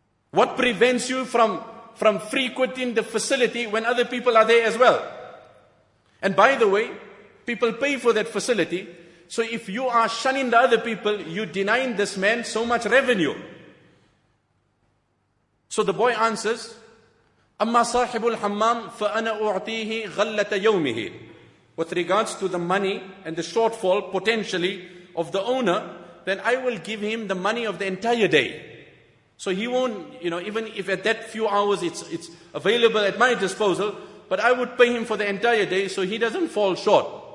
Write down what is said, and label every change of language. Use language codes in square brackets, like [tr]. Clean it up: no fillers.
[en] What prevents you from frequenting the facility when other people are there as well? And by the way, people pay for that facility. So if you are shunning the other people, you're denying this man so much revenue. So the boy answers, [ar] أَمَّا صَاحِبُ الْحَمَّامِ فَأَنَا أُعْطِيهِ غَلَّةَ يَوْمِهِ. [en] With regards to the money and the shortfall potentially of the owner, then I will give him the money of the entire day. So he won't, you know, even if at that few hours it's available at my disposal, but I would pay him for the entire day so he doesn't fall short.